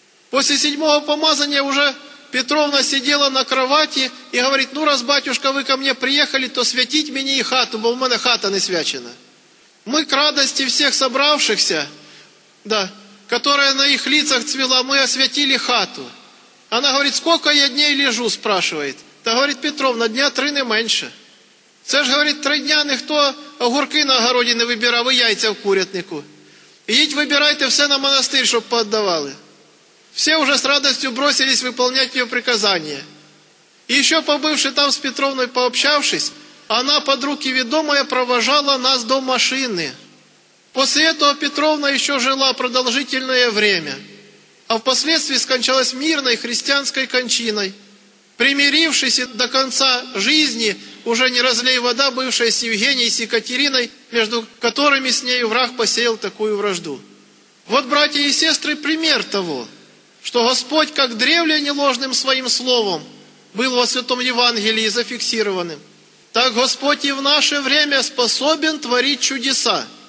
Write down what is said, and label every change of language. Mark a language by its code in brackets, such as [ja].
[ru] После 7-го помазания уже Петровна сидела на кровати и говорит: «Ну, раз, батюшка, вы ко мне приехали, то святить мне и хату, бо у меня хата не свячена». Мы к радости всех собравшихся, да, которая на их лицах цвела, мы освятили хату. Она говорит: «Сколько я дней лежу?» спрашивает. Та говорит: «Петровна, дня 3 не меньше». [uk] Це ж, говорит, 3 дня ніхто огурки на огороді не вибирав і яйця в курятнику. Їдь, вибирайте все на монастир, щоб пооддавали. Все уже з радостю бросились виконувати її приказання. І ще побивши там з Петровною, пообщавшись, вона, під руки відомої, провожала нас до машини. Після того Петровна ще жила продовжительне время. [ru] А впоследствии скончалась мирной христианской кончиной, примирившись до конца жизни, уже не разлей вода, бывшая с Евгенией, с Екатериной, между которыми с нею враг посеял такую вражду. Вот, братья и сестры, пример того, что Господь, как древле неложным своим словом, был во Святом Евангелии зафиксированным, так Господь и в наше время способен творить чудеса.